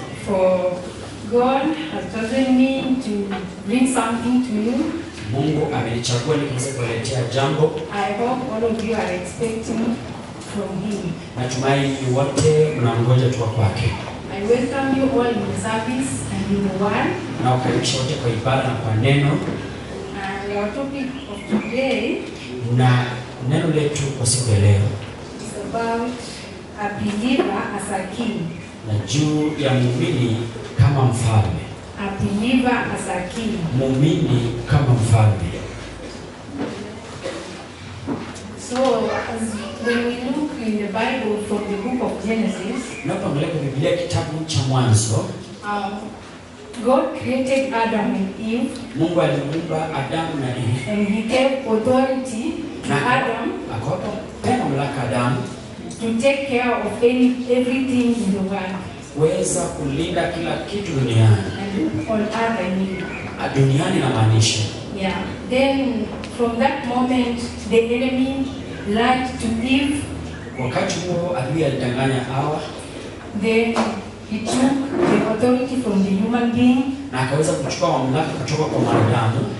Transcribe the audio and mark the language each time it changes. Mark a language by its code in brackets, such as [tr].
[en] For God has chosen me to bring something to you. [sw] Mungu amenichagua nikaweza kuletea jambo. [en] I hope all of you are expecting from him. [sw] Natumai wote mnangoja tu kwake. [en] I welcome you all in service and in the word. [sw] Nawakaribisha wote kwa ibada na kwa neno. [en] And our topic of today. [sw] Na neno letu kwa siku ya leo. [en] It's about a believer as a king. [sw] Na juu ya muumini kama mfalme. [en] A believer as a king. [sw] Muumini kama mfalme. [en] So, as when we look in the Bible from the book of Genesis, [sw] napoangalia kwenye Biblia kitabu cha Mwanzo, [en] God created Adam and Eve. [sw] Mungu alimuumba Adam na Eve. [en] And he gave authority to Adam. [sw] Akapa mamlaka Adam. [en] To take care of everything in the world. [sw] Kuweza kulinda kila kitu duniani. [en] On earth I mean. [sw] Duniani namaanisha. [en] Yeah. Then from that moment the enemy lied to Eve. [sw] Wakati huo adui alidanganya Hawa. [en] Then he took the authority from the human being. [sw] Na akaweza kuchukua mamlaka kutoka kwa mwanadamu.